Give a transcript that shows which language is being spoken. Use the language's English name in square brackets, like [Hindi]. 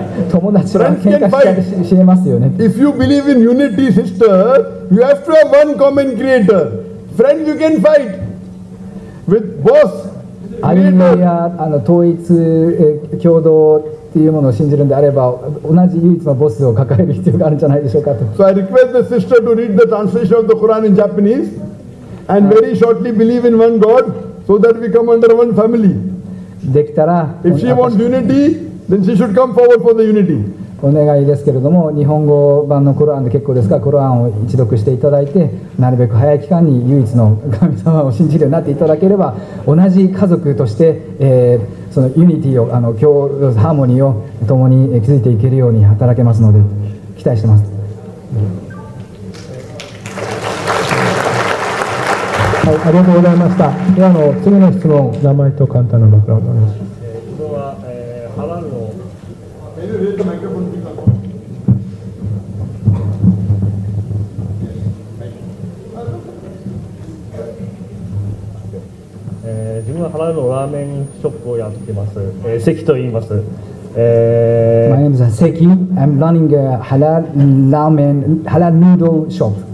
[Japanese] 友達は喧嘩しえますよね。 [English] If you believe in unity, sister, you have to have one common creator. Friend, you can fight with boss. [Japanese] 歩みや統一共同っていうものを信じるんであれば、同じ唯一のボスを抱える必要があるんじゃないでしょうかと。 [English] So I request the sister to read the translation of the Quran in Japanese and very shortly believe in one God so that we come under one family. [Japanese] できたら。 [English] If she wants unity. Then she should come forward for the unity. [Japanese] お願いですけれども、日本語版のコランで結構ですが、コランを一読していただいて、なるべく早い期間に唯一の神様を信じるようになっていただければ、同じ家族として、そのユニティを、ハーモニーを共に築いていけるように働けますので、期待しています。はい、ありがとうございました。では次の質問、名前と簡単なバックグラウンドです。自分はハラルのラーメンショップをやっています。関と言います。 [English] My name is Seki. I'm running a halal ramen, halal noodle shop.